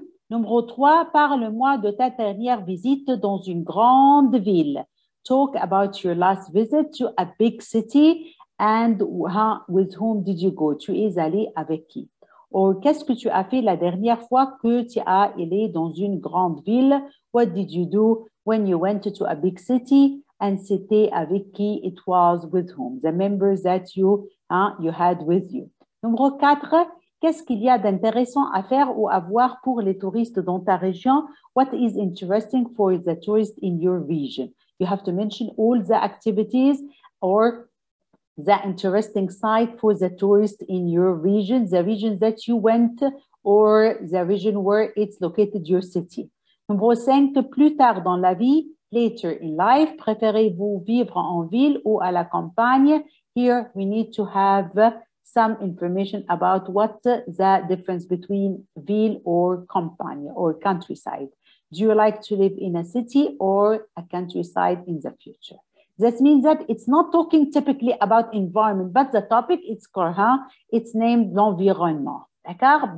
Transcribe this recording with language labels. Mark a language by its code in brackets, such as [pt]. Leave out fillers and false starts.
[fr] Numéro 3, parle-moi de ta dernière visite dans une grande ville. [en] Talk about your last visit to a big city and with whom did you go? [fr] Tu es allé avec qui? Or, qu'est-ce que tu as fait la dernière fois que tu as allé dans une grande ville? [en] What did you do when you went to a big city? And [fr] c'était avec qui? [en] It was with whom? The members that you had with you. [fr] Numéro 4, qu'est-ce qu'il y a d'intéressant à faire ou à voir pour les touristes dans ta région? [en] What is interesting for the tourists in your region? You have to mention all the activities or the interesting site for the tourist in your region, the region that you went or the region where it's located, your city. [fr] Numéro 5, plus tard dans la vie, [en] later in life, [fr] préférez-vous vivre en ville ou à la campagne? [en] Here we need to have some information about what the difference between ville or campagne or countryside. Do you like to live in a city or a countryside in the future? That means that it's not talking typically about environment, but the topic is it's named l'environnement, d'accord?